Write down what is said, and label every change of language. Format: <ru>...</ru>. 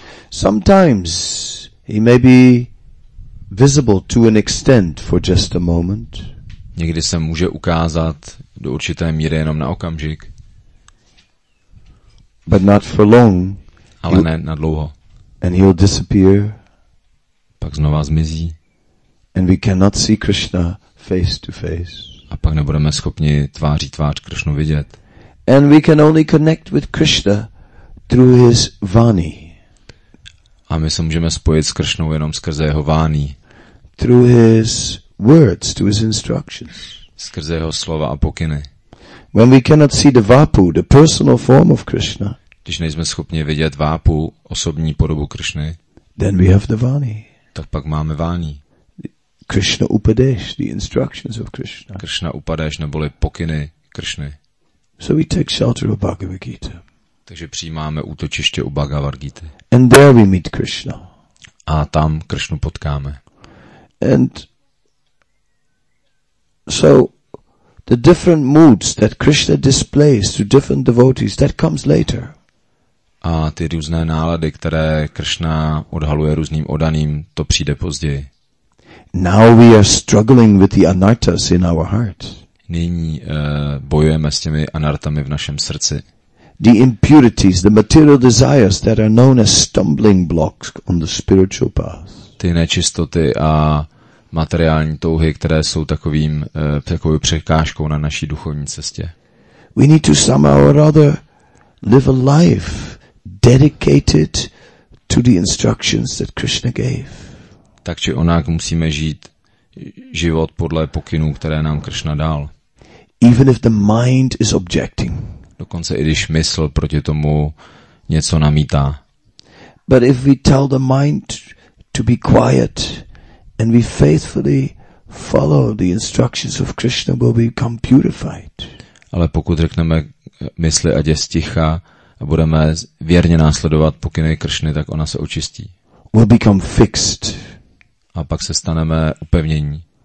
<en>Sometimes he may be visible to an extent for just a moment.</en> <cs>Někdy se může ukázat do určité míry jenom na okamžik.</cs> <en>But not for long.</en> <cs>Ale ne na dlouho.</cs> <en>And he'll disappear.</en> <cs>Pak znova zmizí.</cs> <en>And we cannot see Krishna face to face.</en> <cs>A pak nebudeme schopni tváří tvář Krishnu vidět.</cs> <en>And we can only connect with Krishna through his vani.</en> <cs>A my se můžeme spojit s Krishnou jenom skrze jeho vani.</cs> <en>Through his words, to his instructions.</en> <cs>Skrze jeho slova a pokyny.</cs> <en>When we cannot see the vapu, the personal form of Krishna.</en> <cs>Když nejsme schopni vidět vapu, osobní podobu Krishny.</cs> <en>Then we have the vani.</en> <cs>Tak pak máme vani.</cs> <en>Krishna Upadesh, the instructions of Krishna.</en> <cs>Krishna Upadesh, neboli pokyny Krishny.</cs> <en>So we take shelter of Bhagavad Gita.</en> <cs>Takže přijímáme útočiště u Bhagavad Gita.</cs> <en>And there we meet Krishna.</en> <cs>A tam Krishnu potkáme.</cs> <en>And so the different moods that Krishna displays to different devotees, that comes later.</en> <cs>A ty různé nálady, které Krishna odhaluje různým odaným, to přijde později.</cs> <en>Now we are struggling with the anartas in our heart.</en> <cs>Nyní bojujeme s těmi anartami v našem srdci.</cs> <en>The impurities, the material desires that are known as stumbling blocks on the spiritual path.</en> <cs>Ty nečistoty a materiální touhy, které jsou takovou překážkou na naší duchovní cestě.</cs> <en>We need to somehow or other live a life dedicated to the instructions that Krishna gave.</en> <cs>Tak či onak musíme žít život podle pokynů, které nám Krishna dal.</cs> <en>Even if the mind is objecting.</en> <cs>Dokonce i když mysl proti tomu něco namítá.</cs> <en>But if we tell the mind to be quiet and we faithfully follow the instructions of Krishna, we'll become purified.</en> <cs>Ale pokud řekneme mysli, ať je sticha, a budeme věrně následovat pokyny Krishny, tak ona se očistí.</cs> <en>We'll become fixed.</en> <cs>A pak se staneme upevnění.</cs>